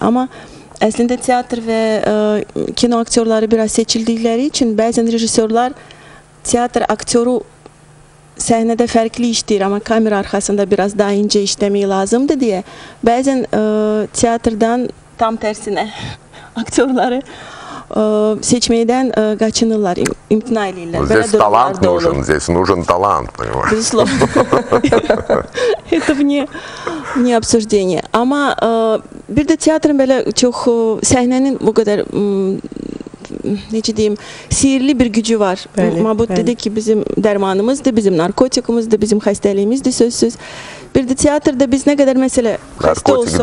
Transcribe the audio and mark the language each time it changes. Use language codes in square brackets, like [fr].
[az] Amma əslində teatr və kino aktorları biraz seçildikləri üçün bəzən rejissorlar teatr aktoru səhnədə fərqli işləyir, amma kamera arxasında biraz daha incə işləmək lazımdır deyə bəzən teatrdan tam tərsinə aktorları seçməkdən qaçınırlar, imtina edirlər. [ru] Здесь талант нужен, здесь нужен талант, понимаешь? Безусловно. Это вне обсуждения. [az] Amma bir də teatrın belə çox səhnənin bu qədər necə deyim, sihirli bir gücü var. Mabud dedi ki, bizim dərmanımızdır, bizim narkotikumuzdur, bizim xəstəliyimizdir sözsüz. Bir də teatrda biz nə qədər məsələ xəstə olsun.